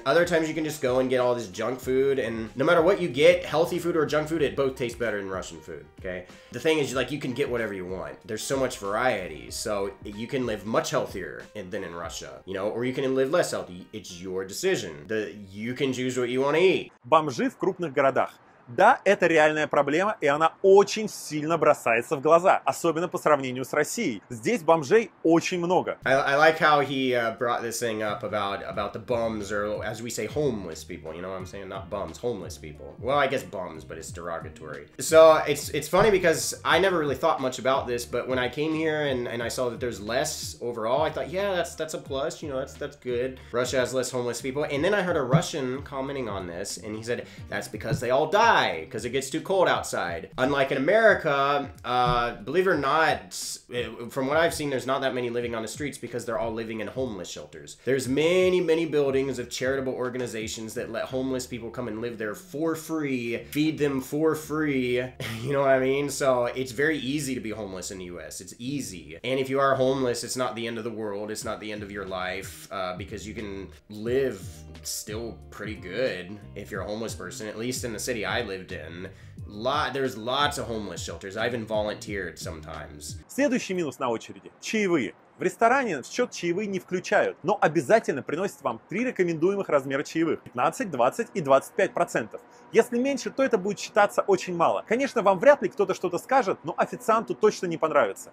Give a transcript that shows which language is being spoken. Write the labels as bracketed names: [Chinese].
[English] Other times, you can just go and get all this junk food, and no matter what you get, healthy food or junk food, it both tastes better than Russian food, okay? The thing is, like, you can get whatever you want. There's so much variety. So you can live much healthier than in Russia, you know, or you can live less healthy. It's your decision. You can choose what you want to eat. [Russian] Бомжи в крупных городах. Да, это реальная проблема, и она очень сильно бросается в глаза, особенно по сравнению с Россией. Здесь бомжей очень много. [English] I like how he brought this thing up about the bums, or as we say, homeless people. You know what I'm saying? Not bums, homeless people. Well, I guess bums, but it's derogatory. So it's funny because I never really thought much about this, but when I came here and I saw that there's less overall, I thought, yeah, that's a plus. You know, that's good. Russia has less homeless people, and then I heard a Russian commenting on this, and he said that's because they all die. Because it gets too cold outside. Unlike in America, believe it or not, from what I've seen, there's not that many living on the streets because they're all living in homeless shelters. There's many, many buildings of charitable organizations that let homeless people come and live there for free, feed them for free. You know what I mean? So it's very easy to be homeless in the US. It's easy. And if you are homeless, it's not the end of the world. It's not the end of your life because you can live still pretty good if you're a homeless person, at least in the city I lived in. There's lots of homeless shelters. I even volunteered sometimes. [Russian] Следующий минус на очереди. Чаевые. В ресторане в счет чаевые не включают, но обязательно приносят вам три рекомендуемых размера чаевых. 15, 20 и 25%. Если меньше, то это будет считаться очень мало. Конечно, вам вряд ли кто-то что-то скажет, но официанту точно не понравится.